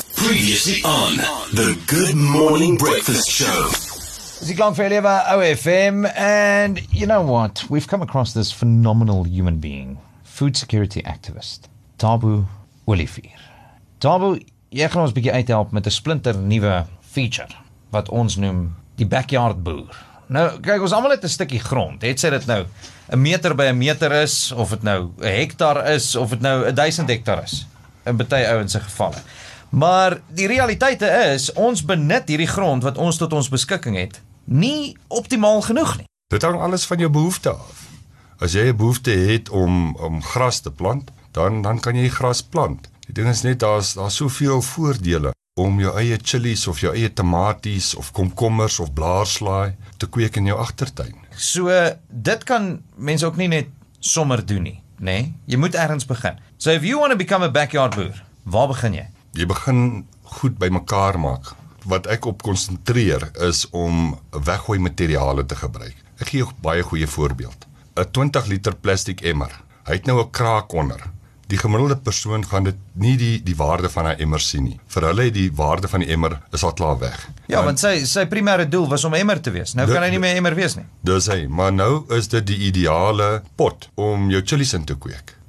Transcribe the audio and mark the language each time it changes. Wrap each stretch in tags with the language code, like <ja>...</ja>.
<en>Previously on the Good Morning Breakfast Show. Ziklang Feliwa, OFM, and you know what? We've come across this phenomenal human being, food security activist, Thabo Olivier.</en> <af>Thabo, jy gaan ons 'n bietjie uithelp met 'n splinter nuwe feature wat ons noem die backyard boer. Nou, kyk, ons almal het 'n stukkie grond. Het sy dit nou 'n meter by 'n meter is, of het nou 'n hektaar is, of het nou 1000 hektaar is, in baie ouens se gevalle. Maar die realiteit is, ons benut hierdie grond wat ons tot ons beskikking het, nie optimaal genoeg nie. Dit hang alles van jou behoefte af. As jy 'n behoefte het om gras te plant, dan kan jy gras plant. Die ding is net, daar's soveel voordele om jou eie chilies of jou eie tamaties of komkommers of blaarslaai te kweek in jou agtertuin. So, dit kan mense ook nie net sommer doen nie, nê? Jy moet ergens begin.</af> <en>So, if you want to become a backyard boer,</en> <af>waar begin jy? Jy begin goed by mekaar maak. Wat ek op konsentreer is om weggooi materiale te gebruik. Ek gee jou baie goeie voorbeeld. 'n 20 liter plastic emmer, hy het nou 'n kraak onder. Die gemiddelde persoon gaan dit nie die waarde van 'n emmer sien nie. Vir hulle die waarde van die emmer is al klaar weg. Ja, want sy primêre doel was om emmer te wees. Nou kan hy nie meer emmer wees nie. Dis hy, maar nou is dit die ideale pot om jou chilies in te kweek.</af>